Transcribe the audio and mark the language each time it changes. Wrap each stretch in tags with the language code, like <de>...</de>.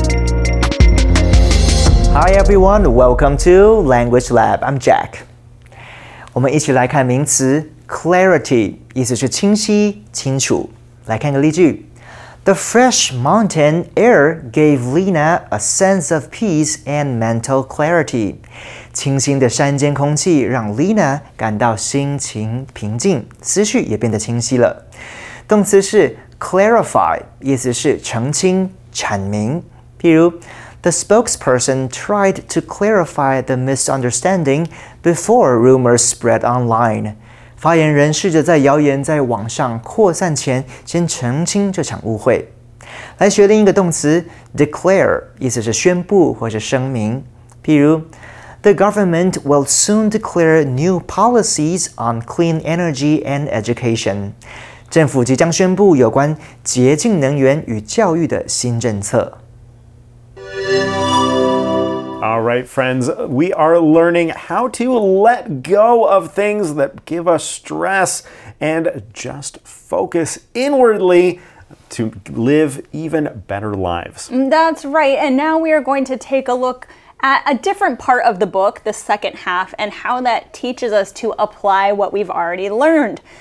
<en>Hi everyone, welcome to Language Lab. I'm Jack.</en> <zh>我们一起来看名词 clarity, 意思是清晰、清楚。来看个例句。</zh> <en>The fresh mountain air gave Lena a sense of peace and mental clarity.</en> <zh>清新的山间空气让 Lena 感到心情平静，思绪也变得清晰了。动词是 clarify, 意思是澄清、阐明。譬如</zh> <en>The spokesperson tried to clarify the misunderstanding before rumors spread online.</en> <zh>发言人试着在谣言在网上扩散前先澄清这场误会。来学另一个动词 declare, 意思是宣布或是声明。譬如</zh> <en>The government will soon declare new policies on clean energy and education.</en> <zh>政府即将宣布有关洁净能源与教育的新政策。</zh> <en>All right, friends, we are learning how to let go of things that give us stress and just focus inwardly to live even better lives. That's right. And now we are going to take a look at a different part of the book, the second half, and how that teaches us to apply what we've already learned.</en>